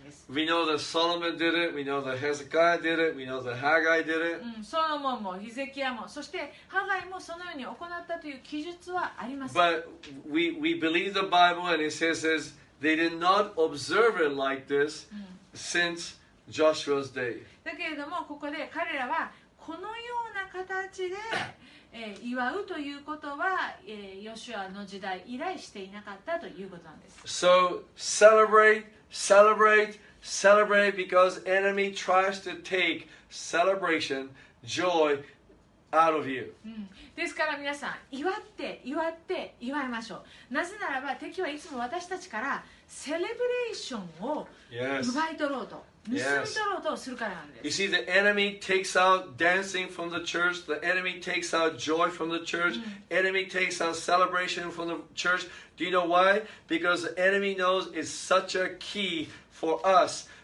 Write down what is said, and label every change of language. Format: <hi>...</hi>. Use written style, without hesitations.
<en>We know that Solomon did it. We know that Hezekiah did it. We know that Haggai did it.</en> <ja>Solomon も、ヒゼキヤも、そして Haggai もそのように行ったという記述はあります。</ja> <en>But we believe the Bible, and it says they did not observe it like this since Joshua's day.</en> <ja>だけれども、ここで彼らはこのような形で祝うということは、ヨシュアの時代以来していなかったということなんです。</ja> <en>So celebrate, celebrate, celebrate because enemy tries to take celebration, joy out of you.、</en> <ja>うん、ですから皆さん、祝って祝って祝いましょう。なぜならば敵はいつも私たちからセレブレーションを奪い取ろうと。 Yes. 盗み取ろうとするからなんです。</ja> <en>You see, the enemy takes out dancing from the church. The enemy takes out joy from the church.、うん、enemy takes out celebration from the church. Do you know why? Because the enemy knows it's such a key for us.</en>